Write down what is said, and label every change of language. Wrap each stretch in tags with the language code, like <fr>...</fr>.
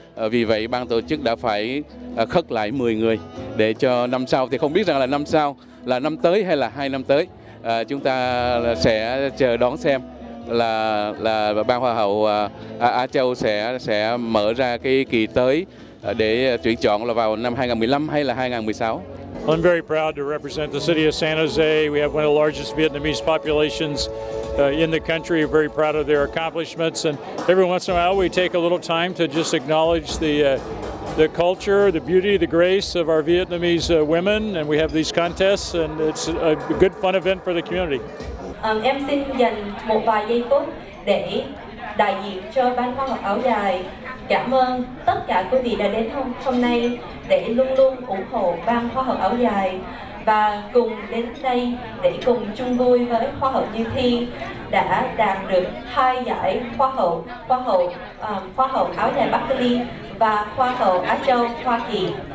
<vi>Vì vậy ban tổ chức đã phải khất lại 10 người để cho năm sau, thì không biết rằng là năm sau là năm tới hay là 2 năm tới, chúng ta sẽ chờ đón xem là ban Hoa hậu Á Châu sẽ mở ra cái kỳ tới để tuyển chọn là vào năm 2015 hay là 2016.</vi> <en>I'm very proud to represent the city of San Jose. We have one of the largest Vietnamese populations in the country. We're very proud of their accomplishments, and every once in a while we take a little time to just acknowledge the culture, the beauty, the grace of our Vietnamese women, and we have these contests, and it's a good fun event for the community.</en> <vi>Em xin dành một vài giây phút để đại diện cho ban Hoa hậu áo dài cảm ơn tất cả quý vị đã đến hôm nay để luôn luôn ủng hộ ban Hoa hậu áo dài và cùng đến đây để cùng chung vui với Hoa hậu Như Thi đã đạt được 2 giải Hoa hậu áo dài Bắc Cali và Hoa hậu Á Châu Hoa Kỳ.</vi>